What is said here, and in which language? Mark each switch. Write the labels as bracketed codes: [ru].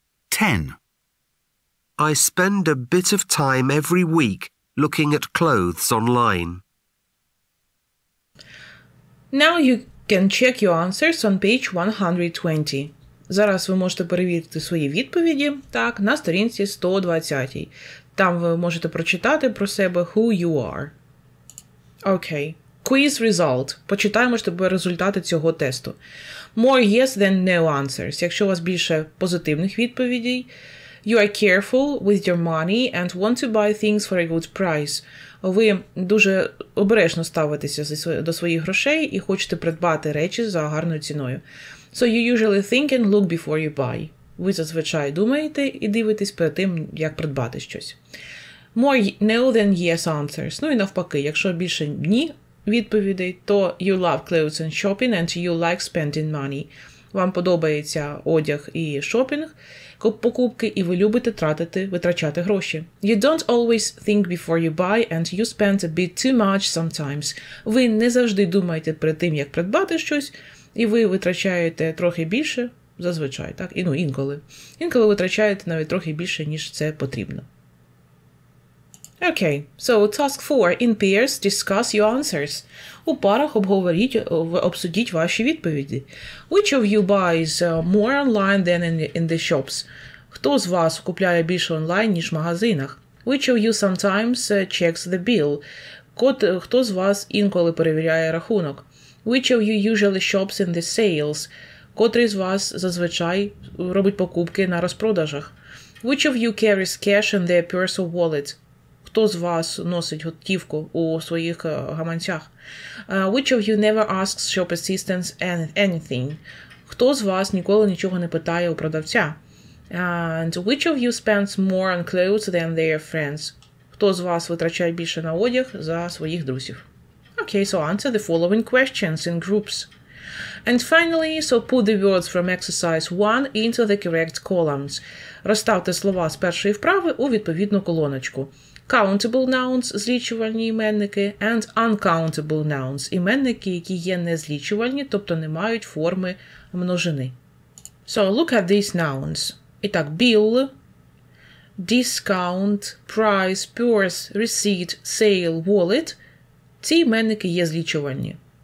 [en] 10. I spend a bit of time every week looking at clothes online. Now you can check your answers on page 120. [uk] Зараз ви можете перевірити свої відповіді, так, на сторінці 120. Там ви можете прочитати про себе [en] who you are. Okay, quiz result. [uk] Почитаємо ж тебе результати цього тесту. [en] More yes than no answers. [uk] Якщо у вас більше позитивних відповідей, [en] you are careful with your money and want to buy things for a good price. [uk] Ви дуже обережно ставитеся до своїх грошей і хочете придбати речі за гарною ціною. [en] So you usually think and look before you buy. [uk] Ви зазвичай думаєте і дивитесь перед тим, як придбати щось. [en] More no than yes answers. [uk] Ну і навпаки, якщо більше ні відповідей, то [en] you love clothes and shopping and you like spending money. [uk] Вам подобається одяг і шопінг, покупки, і ви любите витрачати гроші. [en] You don't always think before you buy and you spend a bit too much sometimes. [uk] Ви не завжди думаєте перед тим, як придбати щось, і ви витрачаєте трохи більше, зазвичай, так? І, ну, інколи. Інколи витрачаєте навіть трохи більше, ніж це потрібно. [en] Okay, so task 4. In pairs, discuss your answers. [uk] У парах обсудіть ваші відповіді. [en] Which of you buys more online than in the shops? [uk] Хто з вас купляє більше онлайн, ніж в магазинах? [en] Which of you sometimes checks the bill? [uk] Хто з вас інколи перевіряє рахунок? [en] Which of you usually shops in the sales? [uk] Котрий з вас зазвичай робить покупки на розпродажах? [en] Which of you carries cash in their purse or wallet? [uk] Хто з вас носить готівку у своїх гаманцях? [en] Which of you never asks shop assistants anything? [uk] Хто з вас ніколи нічого не питає у продавця? [en] And which of you spends more on clothes than their friends? [uk] Хто з вас витрачає більше на одяг за своїх друзів? [en] Okay, so answer the following questions in groups. And finally, so put the words from exercise 1 into the correct columns. [uk] Розставте слова з першої вправи у відповідну колоночку. [en] Countable nouns [uk] – злічувальні іменники, [en] and uncountable nouns [uk] – іменники, які є незлічувальні, тобто не мають форми множини. [en] So, look at these nouns. І так, bill, discount, price, purse, receipt, sale, wallet – [uk] ці іменники є злічувальні.